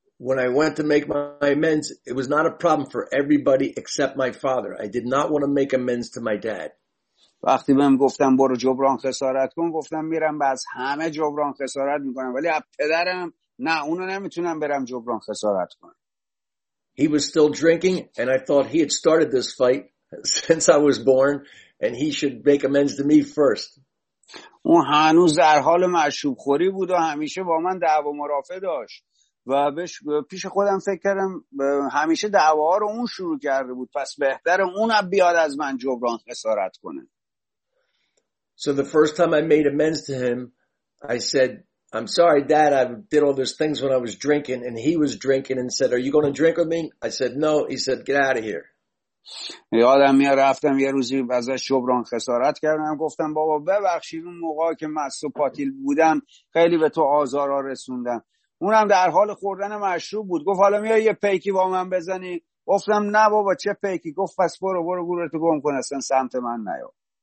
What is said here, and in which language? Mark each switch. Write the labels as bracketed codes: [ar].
[en] When I went to make my amends, it was not a problem for everybody except my father. I did not want to make amends to my dad. [fa] وقتی بهم گفتم برو جبران خسارت کن گفتم میرم باز همه جبران خسارت میکنم ولی از پدرم نه اونو نمیتونم برم جبران خسارت کنم. [en] He was still drinking, and I thought he had started this fight since I was born, and he should make amends to me first. [fa] اون هنوز در حال مشروب خوری بود و همیشه با من دعوا مرافع داشت و پیش خودم فکر کردم همیشه دعوا ها رو اون شروع کرده بود پس بهتره اون بیاد از من جبران خسارت کنه. [en] So the first time I made amends to him, I said, I'm sorry, Dad, I did all those things when I was drinking, and he was drinking and said, are you going to drink with me? I said, no. He said, get out of here. [fa] یادم میاد رفتم یه روزی ازش جبران خسارت کردم گفتم بابا ببخشید اون موقع که مست و پاتیل بودم خیلی به تو آزارا رسوندم اونم در حال خوردن مشروب بود گفت حالا میای یه پیکی با من بزنی گفتم نه بابا چه پیکی گفت پس برو گورتو گم کن اصلا سمت من نیا.